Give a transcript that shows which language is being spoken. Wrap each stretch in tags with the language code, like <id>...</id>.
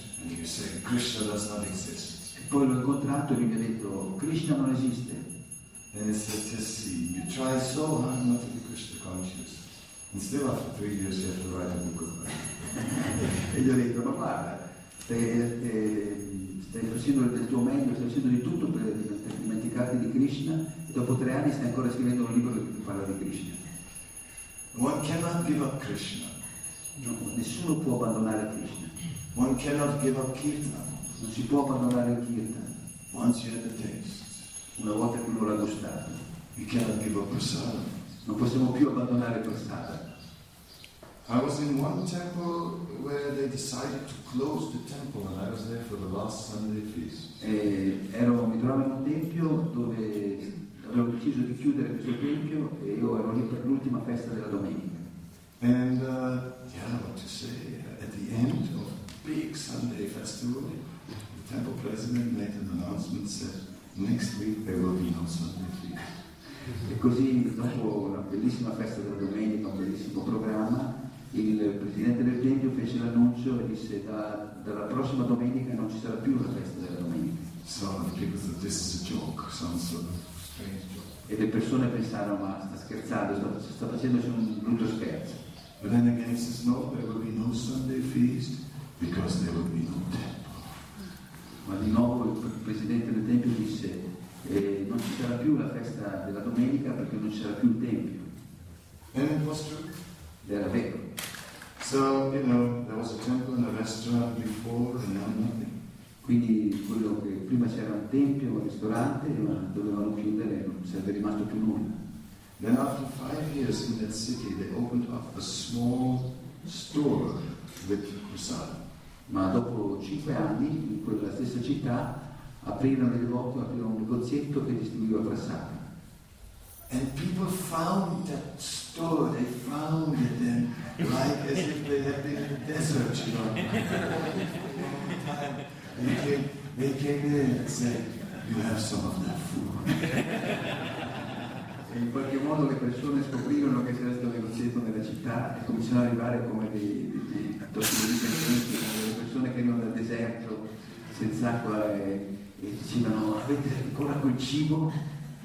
<en>And he said, Krishna does not exist.</en> <it>E poi l'ho incontrato e mi ha detto, Krishna non esiste.</it> <en>And he said, just see, you try so hard not to be Krishna conscious. And still after 3 years you have to write a book of Krishna.</en> <it>E gli ho detto, ma guarda, stai facendo del tuo meglio, stai facendo di tutto per dimenticarti di Krishna, e dopo 3 anni stai ancora scrivendo un libro che parla di Krishna.</it> <en>One cannot give up Krishna.</en> <it>No, nessuno può abbandonare Krishna.</it> <en>One cannot give up Kirtan.</en> <it>Non si può abbandonare il Kirtan.</it> <en>Once you had the taste.</en> <it>Una volta che uno l'ha gustato.</it> <en>You cannot give up Prasada.</en> <it>Non possiamo più abbandonare Prasada.</it> <en>I was in one temple where they decided to close the temple and I was there for the last Sunday feast.</en> <it>Mi trovavo in un tempio dove avevo deciso di chiudere questo tempio e io ero lì per l'ultima festa della domenica.</it> <en>And what to say? At the end of big Sunday festival, the temple president made an announcement. Said next week there will be no Sunday feast.</en> <it>E così dopo una bellissima festa della domenica, un bellissimo programma, il presidente del tempio fece l'annuncio e disse dalla prossima domenica non ci sarà più la festa della domenica.</it> <en>So the people thought this is a joke, some sort of strange joke.</en> <it>E le persone pensarono ma sta scherzando, sta facendo un brutto scherzo.</it> <en>But then again he says, no, there will be no Sunday feast because there will be no temple.</en> <it>Ma di nuovo il presidente del tempio disse, non ci sarà più la festa della domenica perché non ci sarà più il tempio.</it> <en>And it was true.</en> <it>Era vero.</it> <en>So, you know, there was a temple and a restaurant before and now nothing.</en> <it>Quindi quello che prima c'era un tempio, un ristorante, ma dovevano chiudere, non sarebbe rimasto più nulla.</it> <en>Then after 5 years in that city, they opened up a small store with prasada.</en> <it>Ma dopo 5 anni, in quella stessa città, aprirono un negozietto che distribuiva prasada.</it> <en>And people found that store, they found it then, like as if they had been in the desert, you know. They came in and said, you have some of that food.</en> <it>In qualche modo le persone scoprirono che c'era stato negozietto nella città e cominciarono ad arrivare come delle persone che arrivano dal deserto senza acqua e dicevano avete ancora quel cibo?</it>